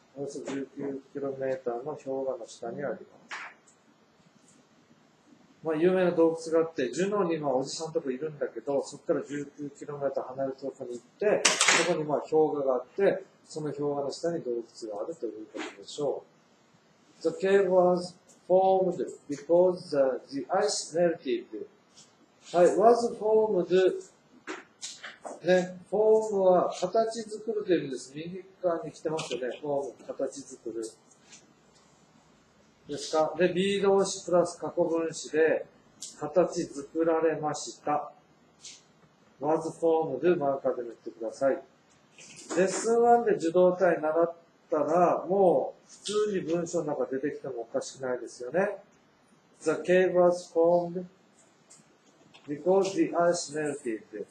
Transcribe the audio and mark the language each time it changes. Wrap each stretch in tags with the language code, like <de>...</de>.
<ja>およそ 19km の氷河の下にあります。まあ、有名な洞窟があって、ジュノーにまあおじさんとかいるんだけど、そこから 19km 離れたところに行って、そこにまあ氷河があって、その氷河の下に洞窟があるということでしょう。</ja> <en>The cave was formed because the ice melted.</en> <ja>はい、</ja> <en>was formed.</en> <ja>ね、フォームは形作るという意味です。右側に来てますよね。フォーム、形作る。ですか。で、B 動詞プラス過去分詞で、形作られました。</ja> <en>was formed</en> <ja>マーカーで塗ってください。レッスン1で受動体習ったら、もう普通に文章の中出てきてもおかしくないですよね。</ja> <en>The cave was formed because the ice melted.</en>